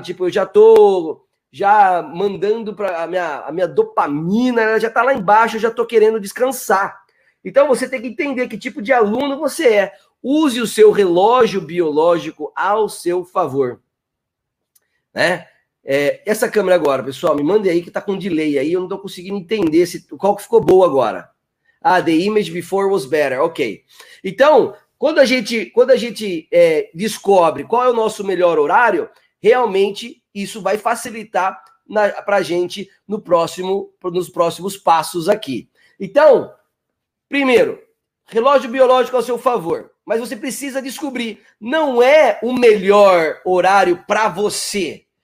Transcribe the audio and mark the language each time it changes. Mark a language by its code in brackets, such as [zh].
[pt] Tipo, eu já tô já mandando pra a minha dopamina, ela já tá lá embaixo, eu já tô querendo descansar. Então você tem que entender que tipo de aluno você é. Use o seu relógio biológico ao seu favor. Né? Essa câmera agora, pessoal, me mandem aí que tá com delay aí, eu não tô conseguindo entender qual que ficou boa agora. [en] Ah, the image before was better, ok. [pt] Então, quando a gente descobre qual é o nosso melhor horário, realmente isso vai facilitar pra gente nos próximos passos aqui. Então, primeiro, relógio biológico ao seu favor, mas você precisa descobrir, não é o melhor horário para você.